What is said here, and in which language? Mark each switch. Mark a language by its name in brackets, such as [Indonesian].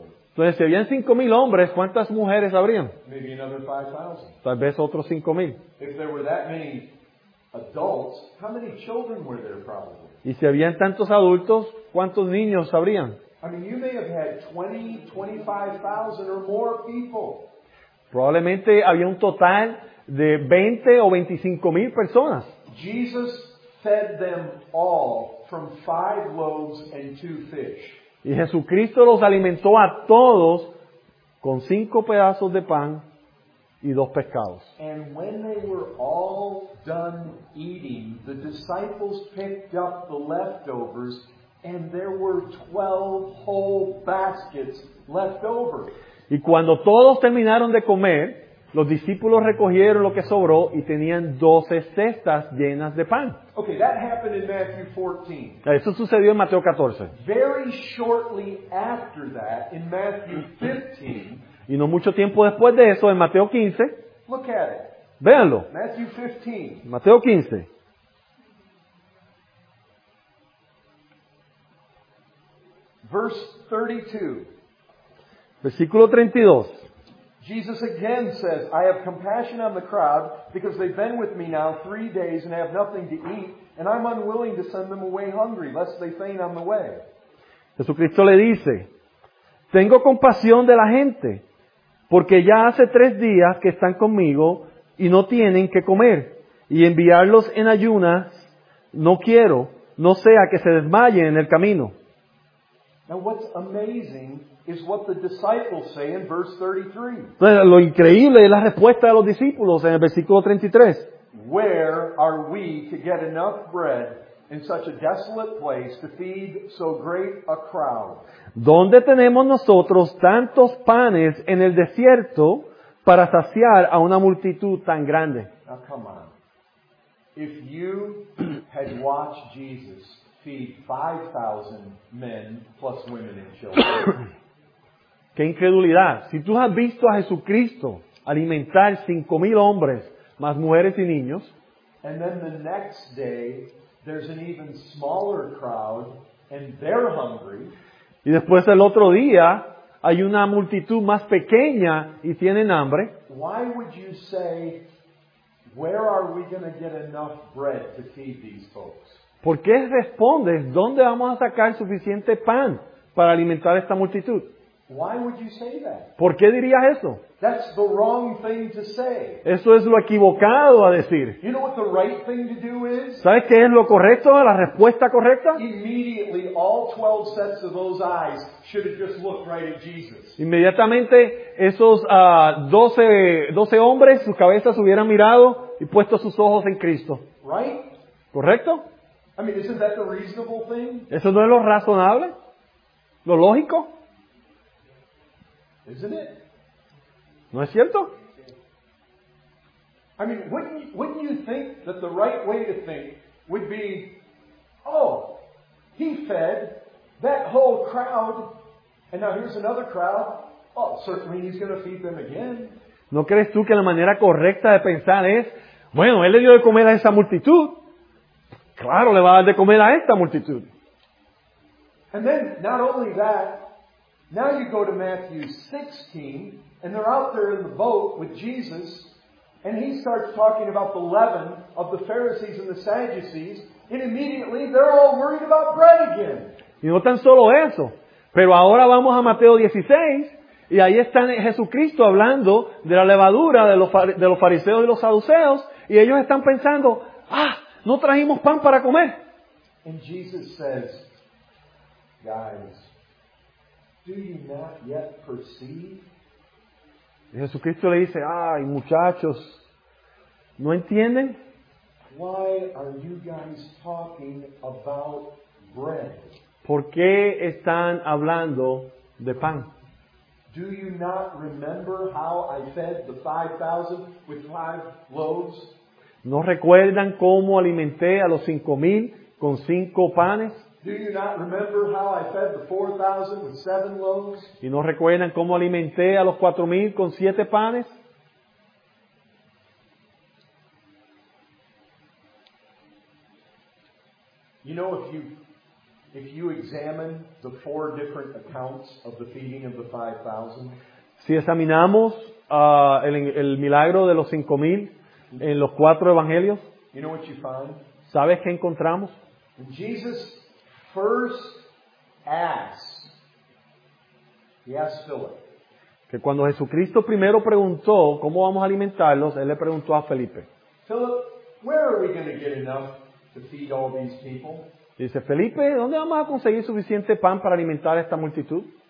[Spanish] Entonces, si habían 5,000 hombres, ¿cuántas mujeres habrían? [English] Maybe another 5,000. [Spanish] Tal vez otros 5,000. [English] If there were that many adults, how many children were there probably? [Spanish] Y si habían tantos adultos, ¿cuántos niños habrían? [English] I mean, you may have had 20, 25,000 or more people. [Spanish] Probablemente había un total de 20 o 25,000 personas. [English] Jesus fed them all from 5 loaves and 2 fish. [Spanish] Y Jesucristo los alimentó a todos con 5 pedazos de pan y 2 pescados. [English] And when they were all done eating, the disciples picked up the leftovers, and there were 12 whole baskets left over. [Spanish] Y cuando todos terminaron de comer, los discípulos recogieron lo que sobró y tenían 12 cestas llenas de pan. [English] Okay, that happened in Matthew 14. [Spanish] Eso sucedió en Mateo 14. [English] Very shortly after that, in Matthew 15. [Spanish] Y no mucho tiempo después de eso, en Mateo 15. [English] Look at it. [Spanish] Véanlo. [English] Matthew 15. [Spanish] Mateo 15. [English] Verse 32. [Spanish] Versículo 32. [English] Jesus again says, I have compassion on the crowd because they've been with me now 3 days and have nothing to eat, and I'm unwilling to send them away hungry, lest they faint on the way. [Spanish] Jesucristo le dice, tengo compasión de la gente porque ya hace 3 días que están conmigo y no tienen que comer, y enviarlos en ayunas no quiero, no sea que se desmayen en el camino. [English] Now what's amazing is what the disciples say in verse 33. [Spanish] Entonces, lo increíble es la respuesta de los discípulos en el versículo 33. [English] Where are we to get enough bread in such a desolate place to feed so great a crowd? [Spanish] ¿Dónde tenemos nosotros tantos panes en el desierto para saciar a una multitud tan grande? [English] Now, come on. If you had watched Jesus feed 5,000 men plus women and children. [Spanish] ¡Qué incredulidad! Si tú has visto a Jesucristo alimentar 5,000 hombres, más mujeres y niños, [English] and then the next day, there's an even smaller crowd, and they're hungry, [Spanish] y después el otro día, hay una multitud más pequeña y tienen hambre, [English] why would you say, where are we going to get enough bread to feed these folks? [Spanish] ¿Por qué respondes, dónde vamos a sacar suficiente pan para alimentar esta multitud? [English] Why would you say that? [Spanish] ¿Por qué dirías eso? [English] That's the wrong thing to say. [Spanish] Eso es lo equivocado a decir. [English] You know what the right thing to do is? [Spanish] ¿Sabes qué es lo correcto, la respuesta correcta? [English] Immediately, all 12 sets of those eyes should have just looked right at Jesus. [Spanish] Inmediatamente, esos 12 hombres, sus cabezas hubieran mirado y puesto sus ojos en Cristo. [English] Right? [Spanish] ¿Correcto? [English] I mean, isn't that the reasonable thing? [Spanish] ¿Eso no es lo razonable? ¿Lo lógico? [English] Isn't it? [Spanish] ¿No es cierto? [English] I mean, wouldn't you think that the right way to think would be, oh, he fed that whole crowd, and now here's another crowd. Oh, certainly he's going to feed them again. [Spanish] ¿No crees tú que la manera correcta de pensar es, bueno, él le dio de comer a esa multitud? Claro, le va a dar de comer a esta multitud. [English] And then, not only that, now you go to Matthew 16, and they're out there in the boat with Jesus, and he starts talking about the leaven of the Pharisees and the Sadducees, and immediately they're all worried about bread again. [Spanish] Y no tan solo eso, pero ahora vamos a Mateo 16, y ahí está Jesucristo hablando de la levadura de los fariseos y los saduceos, y ellos están pensando, ah, no trajimos pan para comer. [English] And Jesus says, guys, do you not yet perceive [Spanish] Jesucristo le dice, ay, muchachos, ¿no entienden? [English] Why are you guys talking about bread? [Spanish] ¿Por qué están hablando de pan? [English] Do you not remember how I fed the 5,000 with 5 loaves? [Spanish] ¿No recuerdan cómo alimenté a los 5,000 con 5 panes? [English] Do you not remember how I fed the 4,000 with 7 loaves? [Spanish] ¿Y no recuerdan cómo alimenté a los 4,000 con 7 panes? [English] You know, if you examine the 4 different accounts of the feeding of the 5,000. [Spanish] Si examinamos el milagro de los 5,000 en los 4 evangelios. [English] You know what you find? [Spanish] ¿Sabes qué encontramos? [English] Jesus first asked Philip. [Spanish] Que cuando Jesucristo primero preguntó cómo vamos a alimentarlos, él le preguntó a Felipe. [English] Philip, where are we going to get enough to feed all these people? [Spanish] Dice, Felipe, ¿dónde vamos a conseguir suficiente pan para alimentar a esta multitud?